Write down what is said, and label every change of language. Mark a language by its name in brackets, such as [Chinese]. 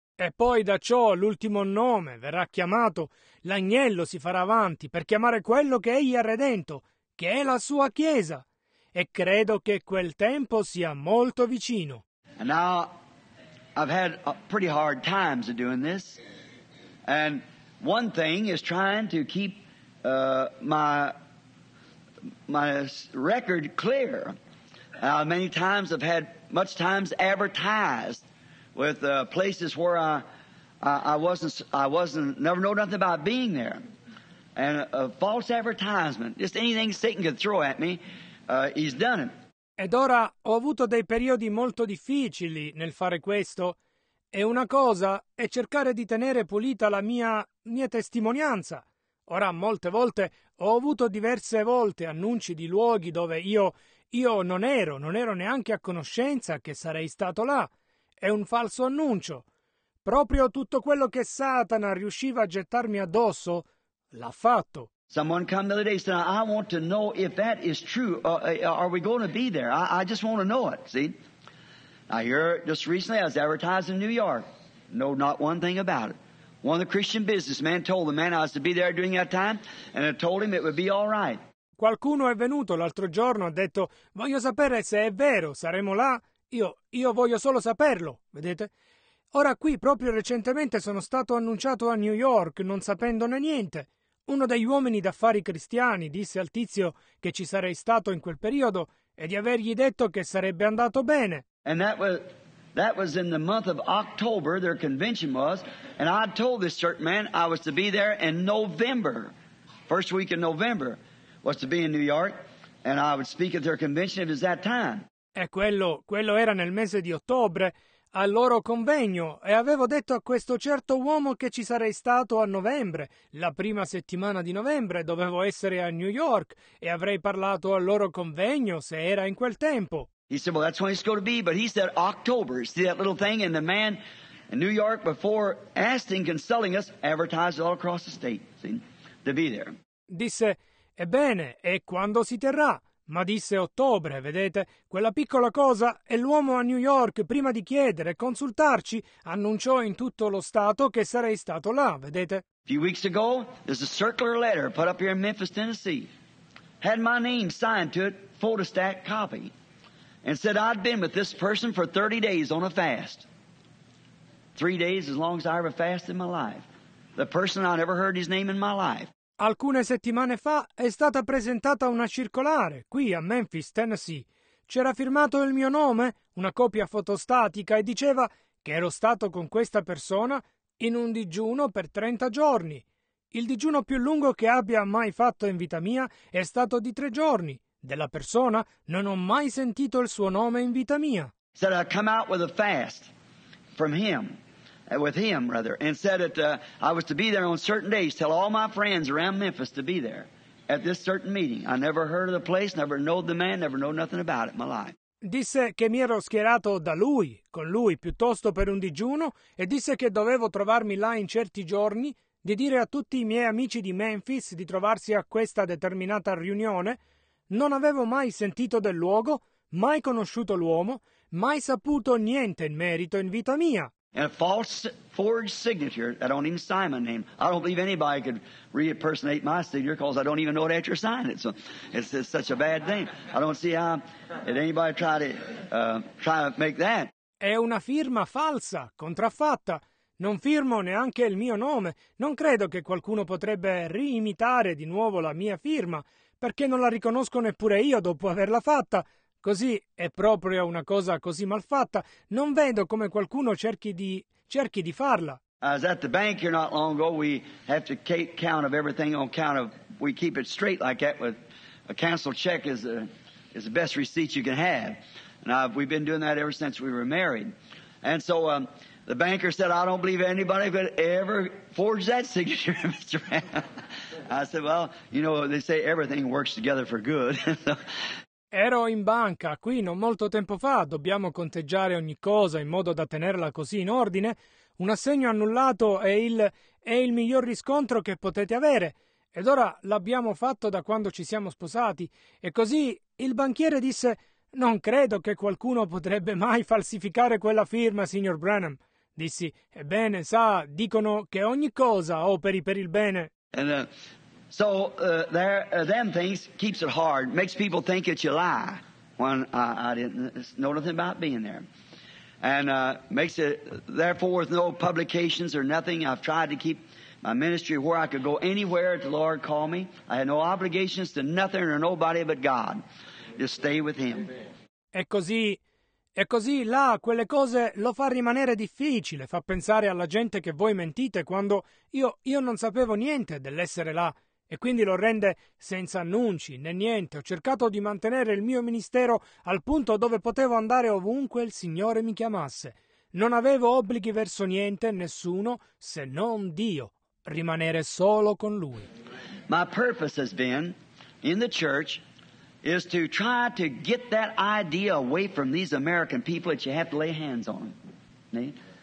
[Italian] E poi da ciò l'ultimo nome verrà chiamato, l'agnello si farà avanti per chiamare quello che egli ha redento, che è la sua chiesa. E credo che quel tempo sia molto vicino. [English] And now I've had a pretty hard times of doing this. And one thing is trying to keep my record clear. Many times I've had much times advertised with places where I wasn't never know nothing about being there, and a false advertisement, just anything Satan could throw at me, he's done it. [Italian] Ed ora ho avuto dei periodi molto difficili nel fare questo, e una cosa è cercare di tenere pulita la mia testimonianza. Ora molte volte ho avuto diverse volte annunci di luoghi dove io non ero neanche a conoscenza che sarei stato là. È un falso annuncio. Proprio tutto quello che Satana riusciva a gettarmi addosso, l'ha fatto. [English] Someone come the other day said, I want to know if that is true. Are we going to be there? I just want to know it, see? Now here, just recently, I was advertised in New York. Know not one thing about it. One of the Christian businessmen told the man I was to be there during that time, and I told him it would be all right. [Italian] Qualcuno è venuto l'altro giorno, ha detto, voglio sapere se è vero, saremo là? Io voglio solo saperlo, vedete? Ora qui, proprio recentemente, sono stato annunciato a New York, non sapendone niente. Uno degli uomini d'affari cristiani disse al tizio che ci sarei stato in quel periodo e di avergli detto che sarebbe andato bene. [English] And that was in the month of October, their convention was, and I told this certain man I was to be there in November, first week of November, was to be in New York, and I would speak at their convention if it was that time. [Italian] E quello era nel mese di ottobre, al loro convegno, e avevo detto a questo certo uomo che ci sarei stato a novembre, la prima settimana di novembre, dovevo essere a New York, e avrei parlato al loro convegno se era in quel tempo. [English] He said, well, that's when it's going to be, but he said October. See that little thing? And the man in New York before asking, consulting us, advertised all across the state, see, to be there. [Italian] Disse, ebbene, e quando si terrà? Ma disse ottobre, vedete, quella piccola cosa, e l'uomo a New York, prima di chiedere e consultarci, annunciò in tutto lo Stato che sarei stato là, vedete? [English] A few weeks ago, there's a circular letter put up here in Memphis, Tennessee. Had my name signed to it, photostat copy. And said I'd been with this person for 30 days on a fast. 3 days as long as I ever fasted in my life. The person I'd ever heard his name in my life. [Italian] Alcune settimane fa è stata presentata una circolare qui a Memphis, Tennessee. C'era firmato il mio nome, una copia fotostatica, e diceva che ero stato con questa persona in un digiuno per 30 giorni. Il digiuno più lungo che abbia mai fatto in vita mia è stato di 3 giorni. Della persona non ho mai sentito il suo nome in vita mia. [English] Said I come out with a fast from him. With him, rather, and said that I was to be there on certain days, tell all my friends around Memphis to be there at this certain meeting. I never heard of the place, never know the man, never know nothing about it in my life. [Italian] Disse che mi ero schierato da lui, con lui, piuttosto per un digiuno, e disse che dovevo trovarmi là in certi giorni, di dire a tutti i miei amici di Memphis di trovarsi a questa determinata riunione. Non avevo mai sentito del luogo, mai conosciuto l'uomo, mai saputo niente in merito in vita mia. [English] And a false forged signature that don't even sign my name. I don't believe anybody could re-impersonate my signature because I don't even know it after signing it. So it's such a bad thing. I don't see how anybody try to make that. [Italian] È una firma falsa, contraffatta. Non firmo neanche il mio nome. Non credo che qualcuno potrebbe riimitare di nuovo la mia firma, perché non la riconosco neppure io dopo averla fatta. Così è proprio una cosa così malfatta. Non vedo come qualcuno cerchi di farla. [English] I was at the bank here not long ago. We have to keep count of everything on count of. We keep it straight like that. With a canceled check is the best receipt you can have. And we've been doing that ever since we were married. And so the banker said, I don't believe anybody could ever forge that signature, Mr. Brown. I said, well, you know, they say everything works together for good. [Italian] Ero in banca, qui non molto tempo fa, dobbiamo conteggiare ogni cosa in modo da tenerla così in ordine. Un assegno annullato è il miglior riscontro che potete avere. Ed ora l'abbiamo fatto da quando ci siamo sposati. E così il banchiere disse, non credo che qualcuno potrebbe mai falsificare quella firma, signor Branham. Dissi, ebbene, sa, dicono che ogni cosa operi per il bene. [English] Them things keeps it hard, makes people think it's a lie when I didn't know nothing about being there. And makes it, therefore, with no publications or nothing, I've tried to keep my ministry where I could go anywhere if the Lord called me. I had no obligations to nothing or nobody but God. Just stay with Him. [Italian] E così là, quelle cose lo fa rimanere difficile, fa pensare alla gente che voi mentite quando io non sapevo niente dell'essere là. E quindi lo rende senza annunci, né niente. Ho cercato di mantenere il mio ministero al punto dove potevo andare ovunque il Signore mi chiamasse. Non avevo obblighi verso niente, nessuno, se non Dio. Rimanere solo con Lui. [English] My purpose has been, in the church, is to try to get that idea away from these American people that you have to lay hands on them.